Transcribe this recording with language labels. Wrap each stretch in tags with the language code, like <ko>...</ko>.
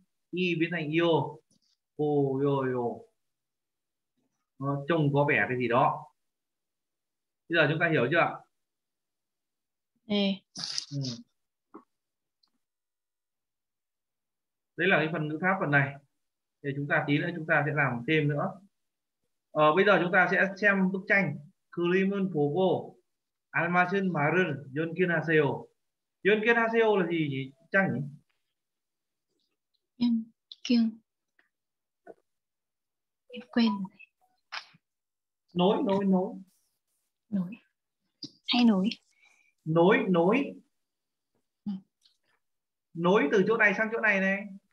<vi>Y biến thành yô, pô yô yô. Nó trông có vẻ cái gì đó. Bây giờ chúng ta hiểu chưa ạ? Đấy là cái phần ngữ pháp phần này. Thì chúng ta tí nữa chúng ta sẽ làm thêm nữa. Bây giờ chúng ta sẽ xem bức tranh.</vi> <ko>그림은 보고 알맞은 말을 연결하세요. 연결하세요</ko> <vi>là gì? Trang nhỉ?</vi> <ko>연결.</ko> <vi>quên rồi. Nối nối từ chỗ này sang chỗ này này</vi>